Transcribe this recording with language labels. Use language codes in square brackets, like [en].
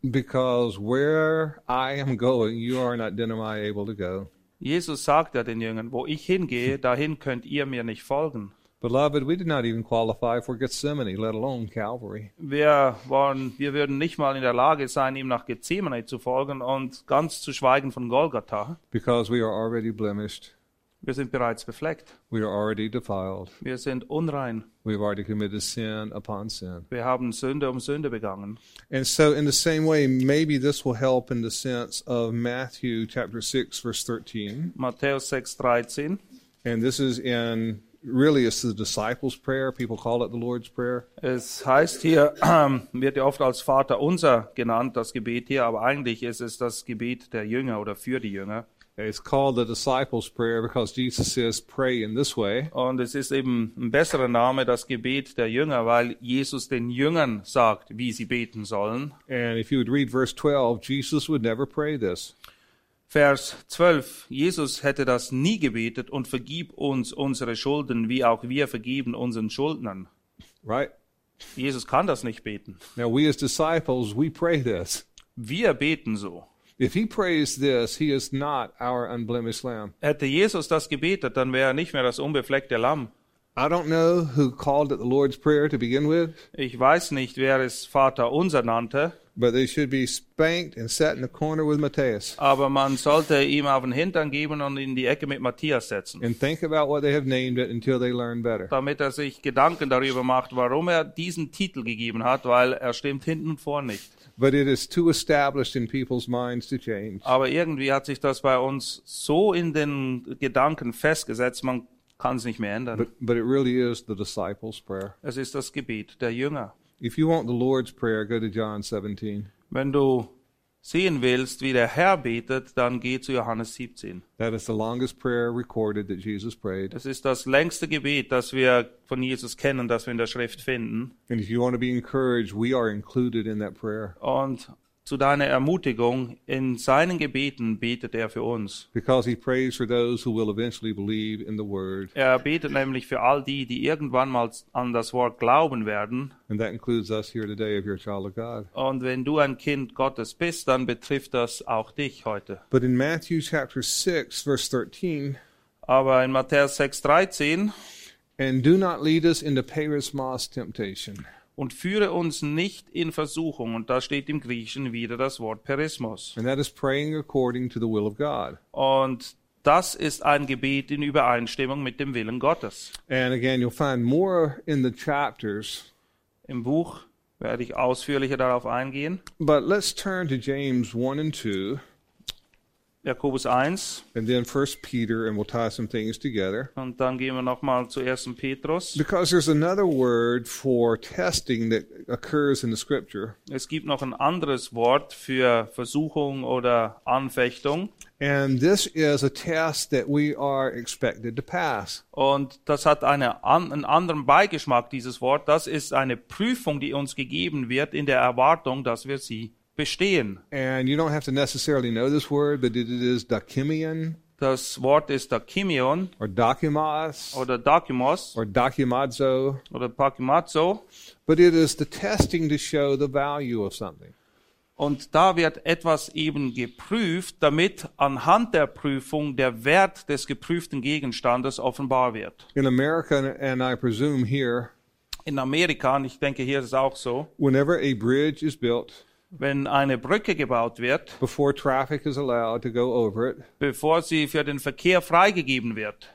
[en] Because where I am going, you are not then am I able to go. [de] Jesus sagt ja den Jüngern, wo ich hingehe, dahin könnt ihr mir nicht folgen. [en] Beloved, we did not even qualify for Gethsemane, let alone Calvary. [de] Wir würden nicht mal in der Lage sein, ihm nach Gethsemane zu folgen und ganz zu schweigen von Golgatha. [en] Because we are already blemished. [de] Wir sind bereits befleckt. [en] We are already defiled. [de] Wir sind unrein. [en] We have already committed sin upon sin. [de] Wir haben Sünde um Sünde begangen. [en] And so in the same way, maybe this will help in the sense of Matthew chapter 6, verse 13. [de] Matthäus 6, 13. [en] And this is in, really it's the disciples' prayer. People call it the Lord's Prayer. [de] Es heißt hier, wird ja oft als Vater unser genannt, das Gebet hier, aber eigentlich ist es das Gebet der Jünger oder für die Jünger. [en] It's called the disciples' prayer because Jesus says, "Pray in this way." [de] Und es ist eben ein besserer Name, das Gebet der Jünger, weil Jesus den Jüngern sagt, wie sie beten sollen. [en] And if you would read verse 12, Jesus would never pray this. [de] Vers 12, Jesus hätte das nie gebetet und vergib uns unsere Schulden, wie auch wir vergeben unseren Schuldnern. [en] Right. [de] Jesus kann das nicht beten. [en] Now we as disciples, we pray this. [de] Wir beten so. [en] If he prays this, he is not our unblemished lamb. [de] Hätte Jesus das gebetet, dann wäre er nicht mehr das unbefleckte Lamm. [en] I don't know who called it the Lord's Prayer to begin with. [de] Ich weiß nicht, wer es Vater unser nannte. [en] But they should be spanked and set in the corner with Matthias. [de] Aber man sollte ihm auf den Hintern geben und in die Ecke mit Matthias setzen. [en] And think about what they have named it until they learn better. [de] Damit er sich Gedanken darüber macht, warum er diesen Titel gegeben hat, weil er stimmt hinten und vorne nicht. [en] But it is too established in people's minds to change. [de] Aber irgendwie hat sich das bei uns so in den Gedanken festgesetzt, man kann es nicht mehr ändern. [en] But it really is the disciples' prayer. [de] Es ist das Gebet der Jünger. [en] If you want the Lord's prayer, go to John 17. [de] Wenn du sehen willst, wie der Herr betet, dann geh zu Johannes 17. [en] That is the longest prayer recorded that Jesus prayed. [de] Das ist das längste Gebet, das wir von Jesus kennen, das wir in der Schrift finden. [en] And if you want to be encouraged, we are included in that prayer. [de] Und zu deiner Ermutigung, in seinen Gebeten betet er für uns. [en] Because he prays for those who will eventually believe in the word. [de] Er betet nämlich für all die, die irgendwann mal an das Wort glauben werden. [en] And that includes us here today if you're a child of God. [de] Und wenn du ein Kind Gottes bist, dann betrifft das auch dich heute. [en] But in Matthew chapter 6, verse 13. [de] Aber in Matthäus 6, 13. [en] And do not lead us into perismos temptation. [de] Und führe uns nicht in Versuchung. Und da steht im Griechischen wieder das Wort Perismos. [en] And that is praying according to the will of God. [de] Und das ist ein Gebet in Übereinstimmung mit dem Willen Gottes. [en] And again, you'll find more in the chapters. [de] Im Buch werde ich ausführlicher darauf eingehen. [en] But let's turn to James 1 and 2. [de] Jakobus 1. [en] And then 1 Peter, and we'll tie some things together. [de] Und dann gehen wir nochmal zu 1. Petrus. [en] Because there's another word for testing that occurs in the scripture. [de] Es gibt noch ein anderes Wort für Versuchung oder Anfechtung. [en] And this is a test that we are expected to pass. [de] Und das hat einen anderen Beigeschmack, dieses Wort. Das ist eine Prüfung, die uns gegeben wird in der Erwartung, dass wir sie bestehen. [en] And you don't have to necessarily know this word, but it is dakimion. [de] Das Wort ist dakimion. [en] Or dakimos. [de] Oder dakimos. [en] Or dakimazo. [de] Oder pakimazo. [en] But it is the testing to show the value of something. [de] Und da wird etwas eben geprüft, damit anhand der Prüfung der Wert des geprüften Gegenstandes offenbar wird. [en] In America, and I presume here. [de] In Amerika, und ich denke hier ist es auch so. [en] Whenever a bridge is built. [de] Wenn eine Brücke gebaut wird, [en] before traffic is allowed to go over it, [de] bevor sie für den Verkehr freigegeben wird,